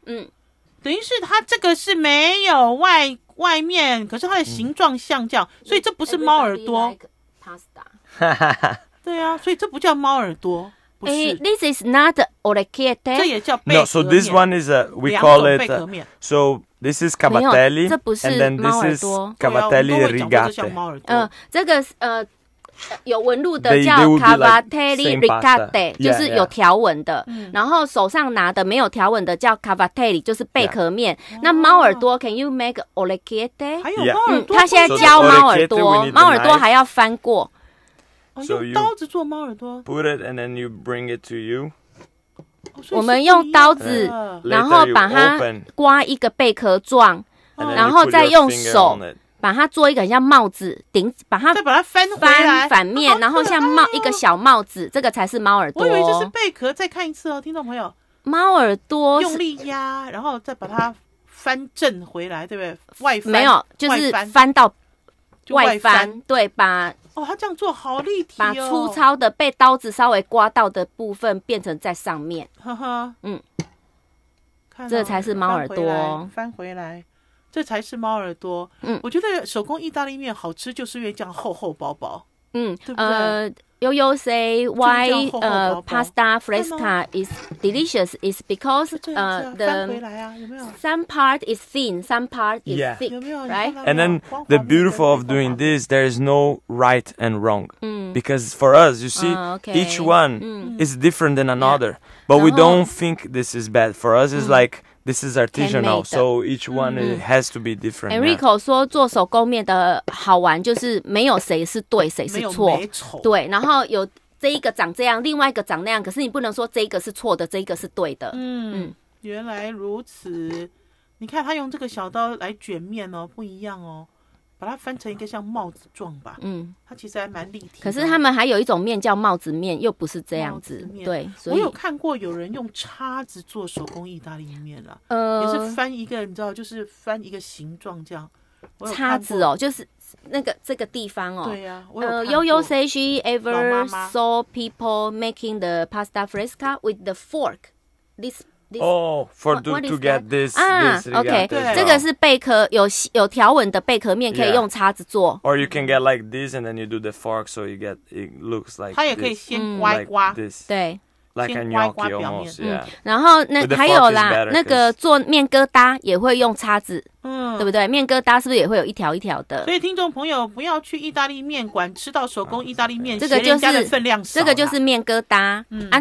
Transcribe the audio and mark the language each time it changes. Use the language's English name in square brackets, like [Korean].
[Chinese] 对，嗯，等于是它这个是没有外面，可是它的形状像这样、嗯、所以这不是猫耳朵、 [English] like、pasta. [Chinese] 对啊，所以这不叫猫耳朵。 [English] This is not orecchiette. No, so this one is we call it. So this is cavatelli. No, this is not. And then this is cavatelli rigate. [Chinese] 这个有纹路的叫 cavatelli rigate， 就是有条纹的。然后手上拿的没有条纹的叫 cavatelli， 就是贝壳面。那猫耳朵 [English] ，Can you make orecchiette？ [Chinese] 还有猫耳朵，他现在教猫耳朵，猫耳朵还要翻过。用刀子做猫耳朵。 [English] Put it and then you bring it to you。 [Chinese] 我们用刀子，然后把它刮一个贝壳状，然后再用手把它做一个很像帽子顶，把它再把它翻回来反面，然后像帽一个小帽子，这个才是猫耳朵。我以为这是贝壳，再看一次哦，听众朋友。猫耳朵用力压，然后再把它翻正回来，对不对？外翻没有，就是翻到外翻，对吧？哦，他这样做好立体哦！把粗糙的被刀子稍微刮到的部分变成在上面，呵呵，嗯，看这才是猫耳朵，翻回来，这才是猫耳朵。嗯，我觉得手工意大利面好吃，就是因为这样厚厚薄薄。嗯，对不对？ [English] 悠悠 say why pasta fresca is delicious is because the some part is thin, some part is thick, right? And then the beautiful of doing this, there is no right and wrong, because for us, you see, each one is different than another, but we don't think this is bad. For us, it's like this is artisanal, so each one has to be different. [Chinese] Enrico 说做手工面的好玩就是没有谁是对谁是错，对，然后有这一个长这样，另外一个长那样，可是你不能说这一个是错的，这一个是对的。原来如此，你看他用这个小刀来卷面哦，不一样哦，把它翻成一个像帽子状吧。它其实还蛮立体的。可是他们还有一种面叫帽子面，又不是这样子。对，所以我有看过有人用叉子做手工意大利面了，也是翻一个，你知道，就是翻一个形状这样。叉子哦，就是那个这个地方哦。对呀、啊， [English] 悠悠 say she ever saw people making the pasta fresca with the fork. This is to get this rigate. [Chinese] 这个是贝壳，有条纹的贝壳面，可以用叉子做。 [English] Yeah. Or you can get like this, and then you do the fork, so you get it looks like. [Chinese] 它也可以先刮刮。 [English] This, [Chinese] 对。 [English] Like a gnocchi almost. Yeah. [Chinese] 然后那还有啦，那个做面疙瘩也会用叉子，对不对？面疙瘩是不是也会有一条一条的？所以听众朋友不要去意大利面馆吃到手工意大利面，这个就是分量少。这个就是面疙瘩。啊，